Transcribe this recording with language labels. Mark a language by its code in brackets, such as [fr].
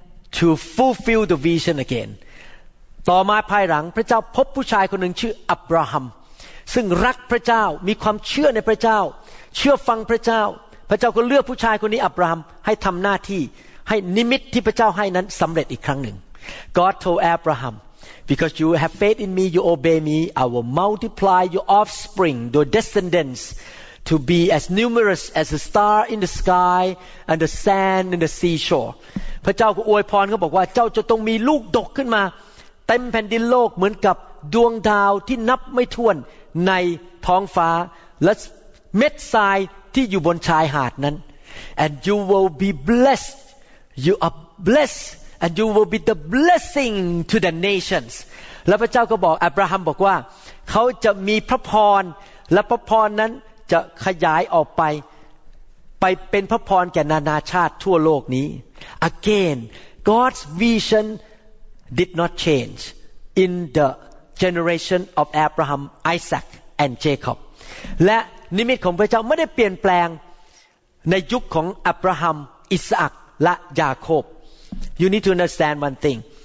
[en] to fulfill the vision again. [th] ต่อมาภายหลังพระเจ้าพบผู้ชายคนหนึ่งชื่ออับราฮัมซึ่งรักพระเจ้ามีความเชื่อในพระเจ้าเชื่อฟังพระเจ้าพระเจ้าก็เลือกผู้ชายคนนี้อับราฮัมให้ทำหน้าที่ให้นิมิตที่พระเจ้าให้นั้นสำเร็จอีกครั้งหนึ่ง [en] God told Abraham because you have faith in me you obey me I will multiply your offspring your descendantsTo be as numerous as the star in the sky and the sand in the seashore. [th] พระเจ้าก็อวยพรเขาบอกว่าเจ้าจะต้องมีลูกดกขึ้นมาเต็มแผ่นดินโลกเหมือนกับดวงดาวที่นับไม่ถ้วนในท้องฟ้าและเม็ดทรายที่อยู่บนชายหาดนั้น [en] And you will be blessed. You are blessed, and you will be the blessing to the nations. [th] และพระเจ้าก็บอกอับราฮัมบอกว่าเขาจะมีพระพรและพระพรนั้นจะขยายออกไปเป็นพระพรแก่นานาชาติทั่วโลกนี้ [en] Again God's vision did not change in the generation of Abraham, Isaac and Jacob [th] และนิมิตของพระเจ้าไม่ได้เปลี่ยนแปลงในยุคของอับราฮัมอิสอัคและยาโคบ [en] You need to understand one thing